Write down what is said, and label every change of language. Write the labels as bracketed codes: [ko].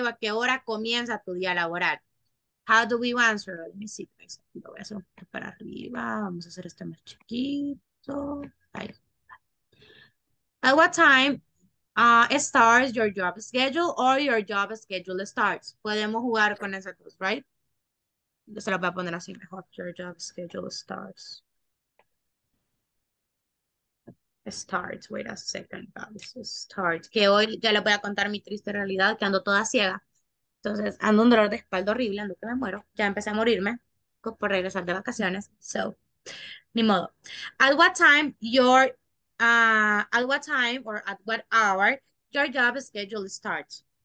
[es] ¿O a qué hora comienza tu día laboral? [en] How do we answer? Let me see. [es] Lo voy a hacer para arriba, vamos a hacer este más chiquito. Ahí. [en] At what time starts your job schedule or your job schedule starts. [es] Podemos jugar con esas dos, right? Se lo voy a poner así mejor. [en] Your job schedule starts. Starts, wait a second. Starts. [es] Que hoy ya le voy a contar mi triste realidad, que ando toda ciega. Entonces, ando un dolor de espalda horrible, ando que me muero. Ya empecé a morirme por regresar de vacaciones. [en] So, [es] ni modo. [en] At what time your... at what time or at what hour your job schedule starts?